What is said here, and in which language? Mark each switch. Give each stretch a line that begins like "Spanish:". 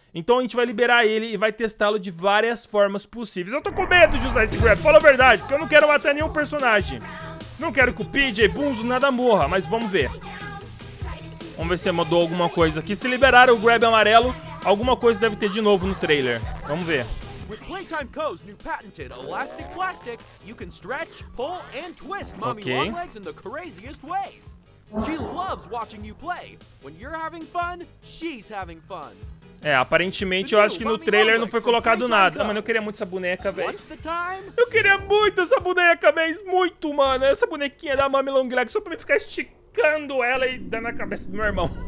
Portuguese: Então a gente vai liberar ele e vai testá-lo de várias formas possíveis. Eu tô com medo de usar esse Grab, fala a verdade, porque eu não quero matar nenhum personagem. Não quero que o PJ, Bunzo, nada morra, mas vamos ver. Vamos ver se mudou alguma coisa aqui. Se liberar o Grab Amarelo, alguma coisa deve ter de novo no trailer. Vamos ver.
English: With Playtime Co.'s new patented elastic plastic, you can stretch, pull and twist Mommy Longlegs in the craziest ways. She loves watching you play. When you're having fun, she's having fun.
Portuguese: É, aparentemente eu acho que no trailer não foi colocado nada. Ah, mano, eu queria muito essa boneca, velho. Eu queria muito essa boneca, mas muito, mano. Essa bonequinha da Mommy Longlegs só pra me ficar esticando ela e dando a cabeça do meu irmão.